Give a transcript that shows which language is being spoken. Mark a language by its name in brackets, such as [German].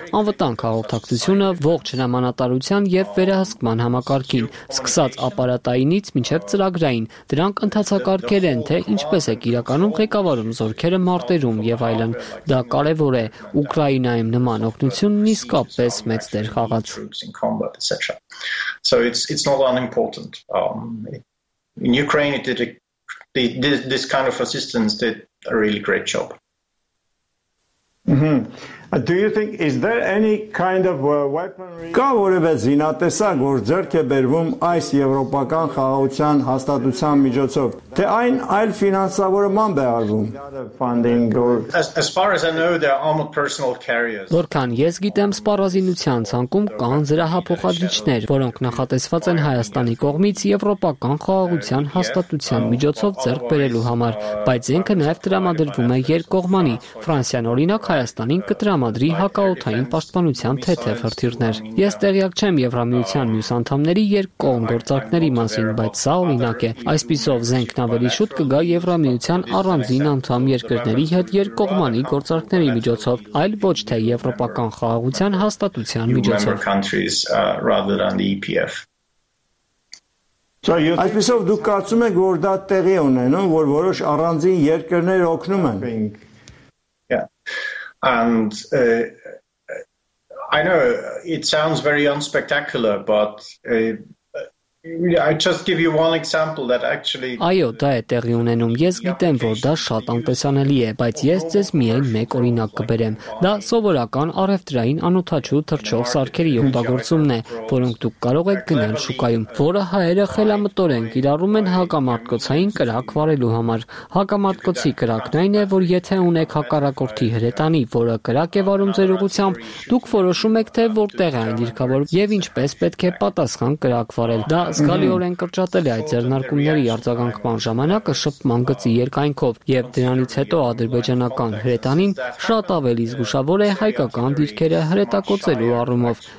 [Armenian] անվտանգ հաղորդակցությունը, ողջ հրամանատարության և վերահսկման համակարգին, սկսած ապարատայինից մինչև ծրագրային, դրանք ընթացակարգեր են, թե ինչպես է իրականում ղեկավարում զորքերը մարտերում և այլն։ Դա կարևոր է, Ուկրաինայում նման օգնությունն իսկապես մեծ դեր խաղաց։ [English] So it's not unimportant. In Ukraine, it did this kind of assistance did a really great job. Mm-hmm. Do you think is there any kind of weaponry? [Armenian] Կա որևէ զինատեսակ, որ ձեռք է բերվում այս եվրոպական խաղաղության հաստատության միջոցով, թե այն այլ ֆինանսավորմամբ է արվում? [English] As far as I know, there are armored personnel carriers. [Armenian] Որքան ես գիտեմ, սպառազինության ցանկում կան զրահափոխադրիչներ, որոնք նախատեսված են Հայաստանի կողմից եվրոպական խաղաղության հաստատության միջոցով ձեռք բերելու համար, բայց ինքը նաև տրամադրվում է երկկողմանի, Ֆրանսիան օրինակ Հայաստանին կտրամադրի Մադրի հակաօթային պաշտպանության թեթև հրթիռներ։ Ես տեղյակ չեմ Եվրամիության մյուս անդամների երկկողմ գործակցների մասին, բայց սա օրինակ է։ Այսպիսով զենքն ավելի շուտ կգա Եվրամիության առանձին անդամ երկրների հետ երկկողմանի գործակցների միջոցով, այլ ոչ թե եվրոպական խաղաղության հաստատության միջոցով։ Այսպիսով դուք կարծում եք, որ դա տեղի ունենում, որ որոշ առանձին երկրներ օգնում են։ [English] And I know it sounds very unspectacular, but I just give you one example that actually. [Armenian] Այո, դա է տեղի ունենում, ես գիտեմ, որ դա շատ անտեսանելի է, բայց ես ձեզ միայն մեկ օրինակ կբերեմ, դա սովորական առևտրային անոթաչու թրջող սարքերի օգտագործումն է, որոնք դուք կարող եք գնել շուկայում, որը հայերը խելամտորեն կիրառում են հակամարտկոցային կրակ վարելու համար, հակամարտկոցի կրակն այն է, որ եթե ունեք հակառակորդի հրետանի, որը կրակ է վարում ձեր ուղությամբ, դուք որոշում եք, թե որտեղ է այն դիրքավորում և ինչպես պետք է պատասխան կրակ վարել։ Դա զգալիորեն կրճատել է այդ ձեռնարկումների արձագանքման ժամանակը շփման գծի երկայնքով, և դրանից հետո ադրբեջանական հրետանին շատ ավելի զգուշավոր է հայկական դիրքերը հրետակոծելու առումով,